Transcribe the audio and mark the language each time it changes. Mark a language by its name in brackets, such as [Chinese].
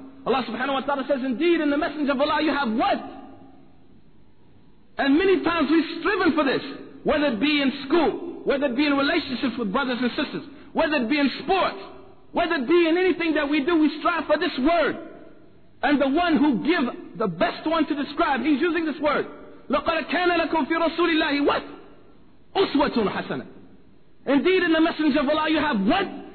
[English] Allah subhanahu wa ta'ala says, indeed, in the Messenger of Allah, you have what? And many times we've striven for this, whether it be in school, whether it be in relationships with brothers and sisters, whether it be in sports, whether it be in anything that we do, we strive for this word. And the one who give the best one to describe, he's using this word. [Arabic] لَقَدْ كَانَ لَكُمْ فِي رَسُولِ اللَّهِ what? أُسْوَةٌ حَسَنَةٌ. [English] Indeed, in the Messenger of Allah, you have what?